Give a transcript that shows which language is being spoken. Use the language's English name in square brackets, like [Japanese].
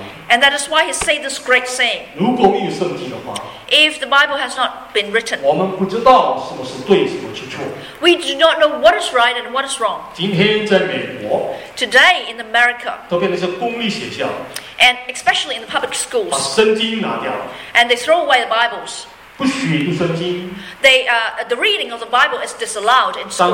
[English] And that is why he said this great saying. [Chinese] 如果没有圣经的话, [English] if the Bible has not been written, [Chinese] 我们不知道什么是对, 什么是错, [English] we do not know what is right and what is wrong. [Chinese] 今天在美国, [English] today in America, [Chinese] 都变成公立学校, [English] and especially in the public schools, [Chinese] 把圣经拿掉, [English] and they throw away the Bibles. [Chinese] 不许读圣经, [English] the reading of the Bible is disallowed in school.